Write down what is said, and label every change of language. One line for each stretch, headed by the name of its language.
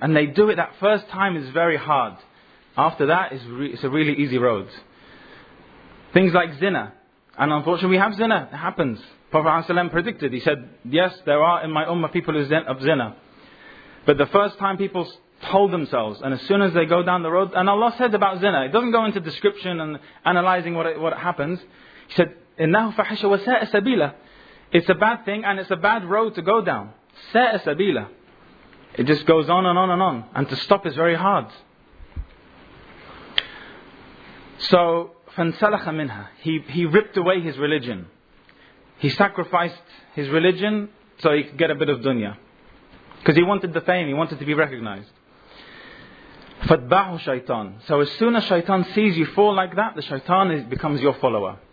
English: And they do it that first time is very hard. After that, it's a really easy road. Things like zina. And unfortunately, we have zina. It happens. Prophet ﷺ predicted. He said, yes, there are in my ummah people who of zina. But the first time people told themselves, and as soon as they go down the road, and Allah said about zina, it doesn't go into description and analyzing what happens. He said,
Arabic: إِنَّهُ فَحِشَ وَسَاءَ سَبِيلًا.
English: It's a bad thing and it's a bad road to go down.
Arabic: سَاءَ سَبِيلًا.
English: It just goes on and on and on. And to stop is very hard.
Arabic: So, فَانْسَلَخَ مِنْهَا.
English: He ripped away his religion. He sacrificed his religion so he could get a bit of dunya. Because he wanted the fame, he wanted to be recognized.
Arabic: فَاتْبَعُ شَيْطَان.
English: So as soon as shaitan sees you fall like that, the shaitan becomes your follower.